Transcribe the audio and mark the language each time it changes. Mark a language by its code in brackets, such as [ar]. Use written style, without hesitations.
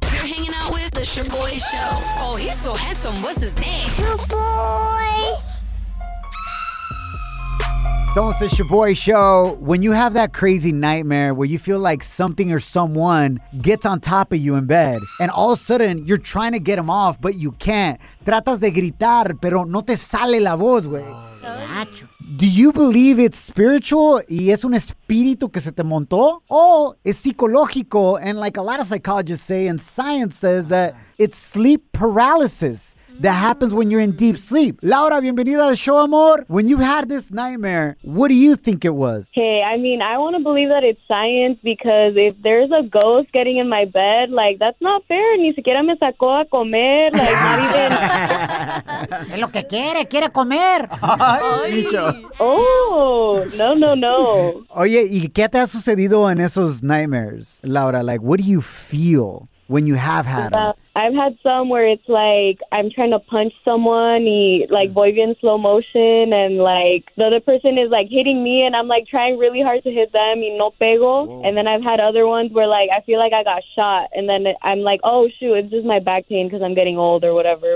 [en] You're hanging out with the Shaboy Show. Oh, he's so handsome. What's his name? Shaboy. Don't say Shaboy Show. When you have that crazy nightmare where you feel like something or someone gets on top of you in bed, and all of a sudden you're trying to get them off, but you can't. [es] Tratas de gritar, pero no te sale la voz, güey. [en] Do you believe it's spiritual [es] y es un espíritu que se te montó? O es psicológico, [en] and like a lot of psychologists say and science says that it's sleep paralysis. That happens when you're in deep sleep. Laura, [es] bienvenida al show, amor. [en] When you had this nightmare, what do you think it was? Hey, I mean, I want to believe that it's science because if there's a ghost getting in my bed, like, that's not fair. [es] Ni siquiera me sacó a comer. [en] Like, not even. [es] Es lo que quiere. Quiere comer. [en] Oh, no. [es] Oye, ¿y qué te ha sucedido en esos nightmares, Laura? [en] Like, what do you feel when you have had them? I've had some where it's like I'm trying to punch someone, like [es] voy bien [en] slow motion, and like the other person is like hitting me, and I'm like trying really hard to hit them, [es] y no pego. [en] Whoa. And then I've had other ones where like I feel like I got shot, and then I'm like, oh shoot, it's just my back pain because I'm getting old or whatever.